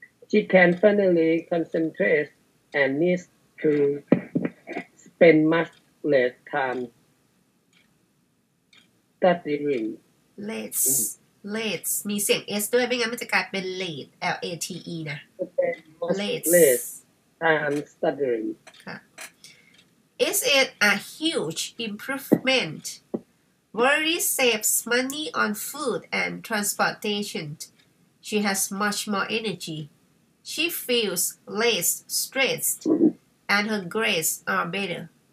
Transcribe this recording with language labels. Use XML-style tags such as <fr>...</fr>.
<en>She can finally concentrate and needs to spend much less time studying.</en> <th>Let's มีเสียง S ด้วยไม่งั้นมันจะกลายเป็น late L-A-T-E นะ</th> <en>Let's studying ค่ะIs it a huge improvement? Worry saves money on food and transportation. She has much more energy. She feels less stressed and her grades are better.</en>